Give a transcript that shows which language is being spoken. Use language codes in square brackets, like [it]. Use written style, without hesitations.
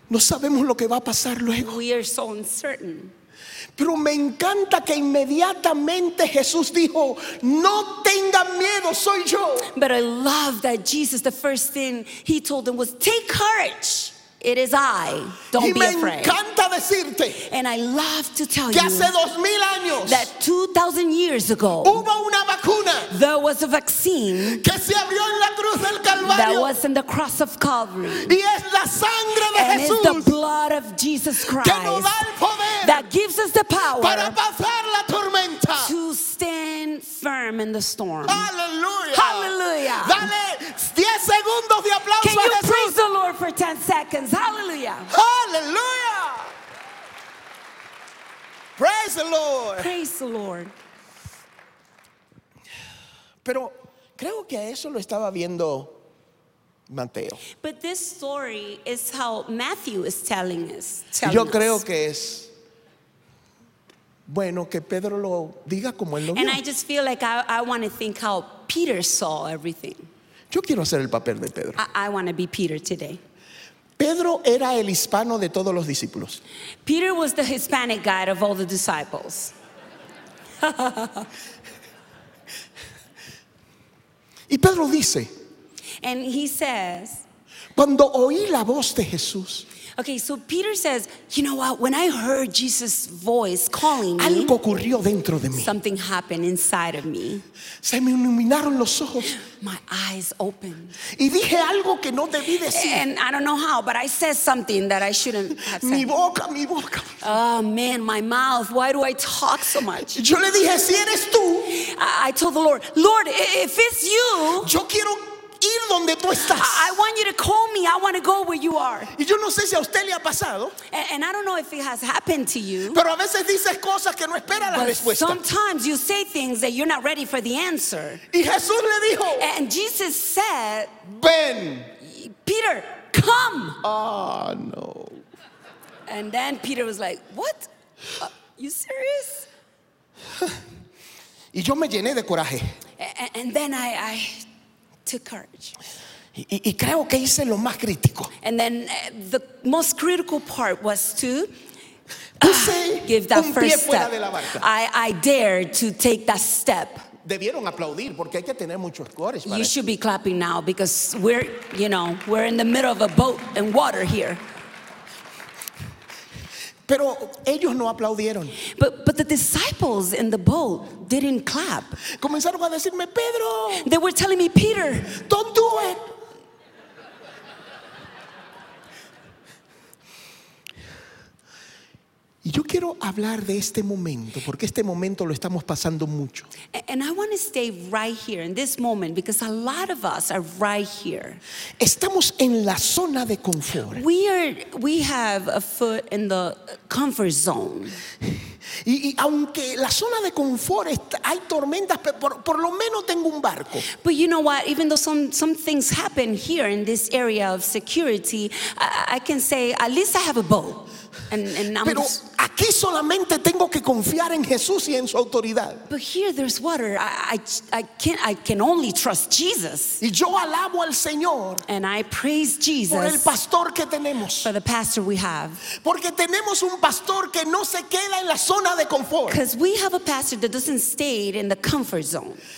[es] No sabemos lo que va a pasar luego. [en] We are so uncertain. [es] Pero me encanta que inmediatamente Jesús dijo, no tengan miedo, soy yo. [en] But I love that Jesus, the first thing he told them was, take courage. It is I. Don't be afraid. [es] Decirte, [en] and I love to tell [es] que hace 2000 años, [en] that 2,000 years ago [es] hubo una vacuna, [en] there was a vaccine [es] que se abrió en la cruz del Calvario, [en] that was in the cross of Calvary. [es] Y es la sangre de [en] and [es] Jesús, [en] it's the blood of Jesus Christ [es] que nos da el poder [en] that gives us the power [es] para pasar la tormenta. [en] To stand firm in the storm. Hallelujah. Hallelujah. [es] Dale 10 segundos de aplauso. [en] Can a you [es] Jesús? [en] Praise the Lord for 10 seconds. Hallelujah. Hallelujah. Praise the Lord. Praise the Lord. [es] Pero creo que eso lo estaba viendo Mateo. [en] But this story is how Matthew is telling us. [es] Yo creo que es bueno que Pedro lo diga como él lo vio. [en] And I just feel like I want to think how Peter saw everything. [es] Yo quiero hacer el papel de Pedro. [en] I want to be Peter today. [es] Pedro era el hispano de todos los discípulos. [en] Peter was the Hispanic guy of all the disciples. [es] Y Pedro dice, [en] and he says, [es] Cuando oí la voz de Jesús. [en] Okay, so Peter says, you know what? When I heard Jesus' voice calling me, [es] algo ocurrió dentro de mí. [en] Something happened inside of me. [es] Se me iluminaron los ojos. [en] My eyes opened. [es] Y dije algo que no debí decir. [en] And I don't know how, but I said something that I shouldn't have said. [es] Mi boca. [en] Oh man, my mouth. Why do I talk so much? [es] Yo le dije, si eres tú. [en] I told the Lord, Lord, if it's you, [es] yo quiero ir donde tú estás. [en] I want you to call me. I want to go where you are. [es] Y yo no sé si a usted le ha pasado. [en] And I don't know if it has happened to you. [es] Pero a veces dices cosas que no espera la respuesta. [en] Sometimes you say things that you're not ready for the answer. [es] Y Jesús le dijo, [en] and Jesus said, [es] ven. [en] Peter, come. Oh, no. And then Peter was like, what? Are you serious? [es] Y yo me llené de coraje. [en] And then I took courage. [es] Y creo que hice lo más crítico. [en] And then the most critical part was to give that first step. I dared to take that step. [es] Debieron aplaudir porque hay que tener muchos cores. [en] You should be clapping now because we're, you know, we're in the middle of a boat and water here. [es] Pero ellos no aplaudieron. [en] But the disciples in the boat didn't clap. [es] Comenzaron a decirme, Pedro. [en] They were telling me, Peter, don't do it. [es] Y yo quiero hablar de este momento, porque este momento lo estamos pasando mucho. [en] And I want to stay right here in this moment because a lot of us are right here. [es] Estamos en la zona de confort. [en] We have a foot in the comfort zone. [es] Y aunque la zona de confort está, hay tormentas, pero por lo menos tengo un barco. [en] But you know what? Even though some things happen here in this area of security, I can say at least I have a boat. [es] Pero aquí solamente tengo que confiar en Jesús y en su autoridad. [en] But here there's water. I can only trust Jesus. [es] Y yo alabo al Señor. [en] And I praise Jesus. [es] Por el pastor que tenemos. [en] For the pastor we have. [es] Porque tenemos un pastor que no se queda en la zona de confort. [en] Because we have a pastor that doesn't stay in the comfort zone.